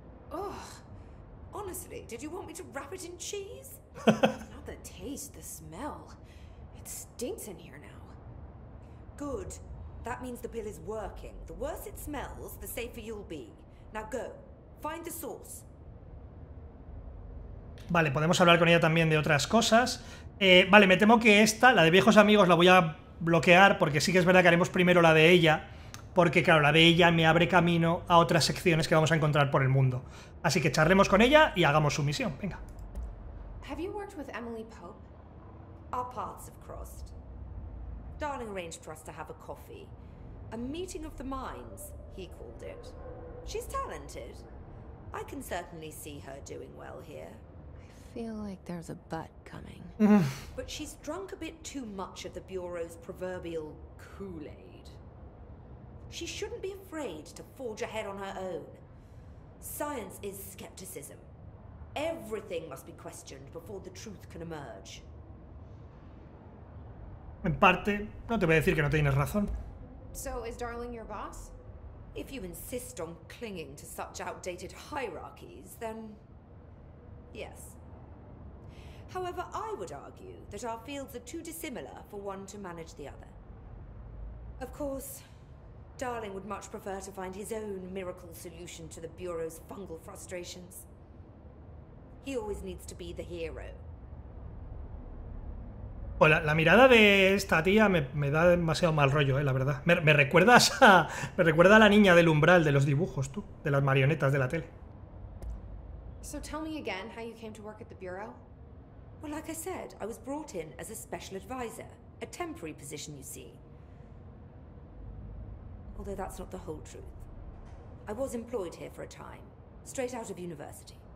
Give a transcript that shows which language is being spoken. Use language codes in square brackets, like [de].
[en] Oh, honestly, did you want me to wrap it in cheese? Not the taste, the smell. It stinks in here now. Good. That means the pill is working. The worse it smells, the safer you'll be. Now go. Find the source. [es] Vale, podemos hablar con ella también de otras cosas. Vale, me temo que esta, la de viejos amigos, la voy a bloquear porque sí que es verdad que haremos primero la de ella. Porque claro, la de ella me abre camino a otras secciones que vamos a encontrar por el mundo. Así que charlemos con ella y hagamos su misión. Venga. [en] Have you worked with Emily Pope? Our paths have crossed. Darling arranged for us to have a coffee. A meeting of the minds, he called it. She's talented. I can certainly see her doing well here. Feel like there's a butt coming. But she's drunk a bit too much of the Bureau's proverbial Kool-Aid. She shouldn't be afraid to forge ahead on her own. Science is skepticism. Everything must be questioned before the truth can emerge. [es] En parte, no te voy a decir que no tienes razón. [en] So is Darling your boss? If you insist on clinging to such outdated hierarchies, then yes. However, I would argue that our fields are too dissimilar for one to manage the other. Of course, Darling would much prefer to find his own miracle solution to the Bureau's fungal frustrations. He always needs to be the hero. [es] Hola, la mirada de esta tía me da demasiado mal rollo, la verdad. Me recuerda a la niña del umbral de los dibujos, tú, de las marionetas de la tele. [en] So tell me again how you came to work at the Bureau. Well, like I said, I was brought in as a special advisor. A temporary position, you see. Although that's not the whole truth. I was employed here for a time, straight out of university.